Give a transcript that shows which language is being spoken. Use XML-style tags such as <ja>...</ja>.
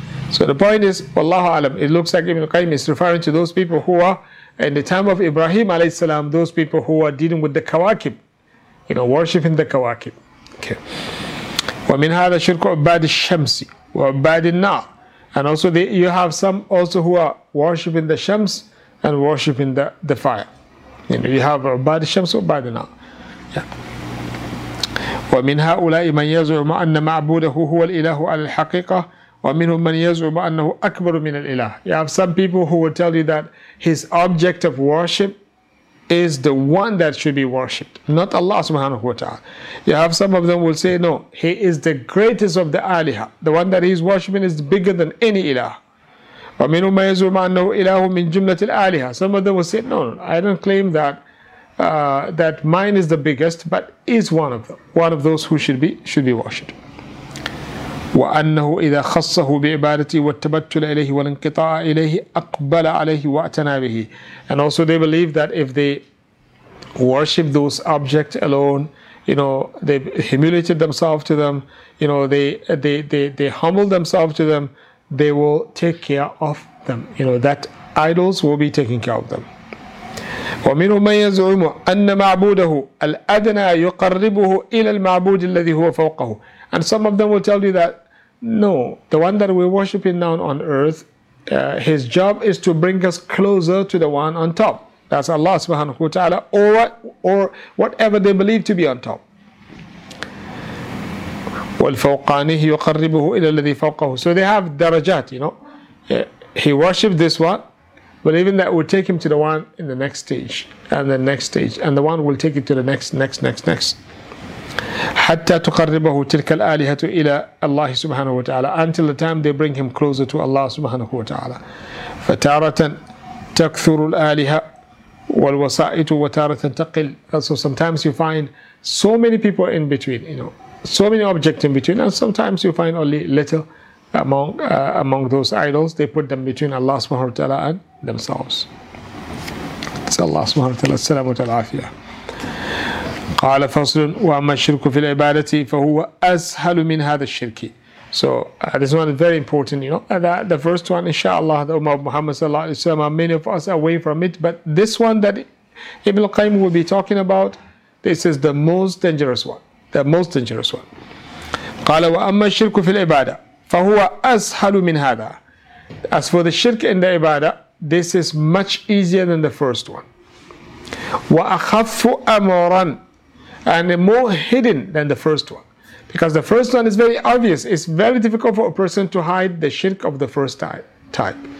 <en>So the point is, Wallahu Alam, it looks like Ibn Qayyim is referring to those people who are, in the time of Ibrahim alayhi salam, those people who are dealing with the kawakib, you know, worshiping the kawakib.</en> <ar>Okay. وَمِنْ هَذَا شِرْكُ عُبَّادِ الشَّمْسِ وَعُبَّادِ النَّارِ.</ar> <en>And also you have some also who are worshiping the shams and worshiping the fire. You know, you have</en> <ar>عُبَّادِ الشَّمْسِ وَعُبَّادِ النَّارِ.</ar> <en>Yeah.</en> <ar>ومن هؤلاء من يزعم أن معبوده هو الإله على الحقيقة ومنهم من يزعم أنه أكبر من الإله.</ar> <en>You have some people who will tell you that his object of worship is the one that should be worshipped, not Allah subhanahu wa ta'ala. You have some of them will say, no, he is the greatest of the Aliha. The one that he is worshipping is bigger than any Ilah.</en> <ar>ومنهم من يزعم أنه إله من جملة الآلهة.</ar> <en>Some of them will say, no, I don't claim that. That mine is the biggest, but is one of them, one of those who should be worshipped.</en> <ar>وَأَنَّهُ إِذَا خَصَّهُ بِعِبَادَتِي وَالتَّبَتُّلَ إِلَيْهِ وَالْإِنْقِطَاعَ إِلَيْهِ أَقْبَلَ عَلَيْهِ وَأَتَنَا بِهِ.</ar> <en>And also they believe that if they worship those objects alone, you know, they humiliated themselves to them, you know, they humbled themselves to them, they will take care of them. You know, that idols will be taking care of them.</en> <ar>ومنهم من يزعم أن معبوده الأدنى يقربه إلى المعبود الذي هو فوقه.</ar> <en>And some of them will tell you that, no, the one that we're worshiping now on earth, his job is to bring us closer to the one on top. That's Allah subhanahu wa ta'ala, or whatever they believe to be on top.</en> <ar>وَالْفَوْقَانِهِ يُقَرِّبُهُ إِلَى الَّذِي فَوْقَهُ.</ar> <en>So they have darajat, you know. He worshipped this one, but even that will take him to the one in the next stage, and the next stage, and the one will take it to the next.</en> <ar>حَتَّى تُقَرِّبَهُ تِلْكَ الْآلِهَةُ إِلَى اللَّهِ سُبْحَانَهُ وَتَعَالَى.</ar> <en>Until the time they bring him closer to Allah subhanahu wa ta'ala.</en> <ar>فَتَارَةً تَكْثُرُ الْآلِهَةُ وَالْوَسَائِتُ وَتَارَةً تَقِلُ.</ar> <en>So sometimes you find so many people in between, you know, so many objects in between, and sometimes you find only little among those idols. They put them between Allah subhanahu wa ta'ala and themselves. It's Allah subhanahu wa ta'ala, salam wa ta'ala afiyah.</en> <ar>قال فصل وأما الشرك في العبادة فهو أسهل من هذا الشرك.</ar> <en>So this one is very important, you know, that the first one, inshallah, the Ummah of Muhammad sallallahu alayhi wa sallam, many of us are away from it, but this one that Ibn al-Qayyim will be talking about, this is the most dangerous one, the most dangerous one.</en> <ar>قال وأما الشرك في العبادة فهو أسهل من هذا.</ar> <en>As for the shirk in the ibadah, this is much easier than the first one.</en> <ar>وأخف أمراً,</ar> <en>and more hidden than the first one. Because the first one is very obvious. It's very difficult for a person to hide the shirk of the first type.</en>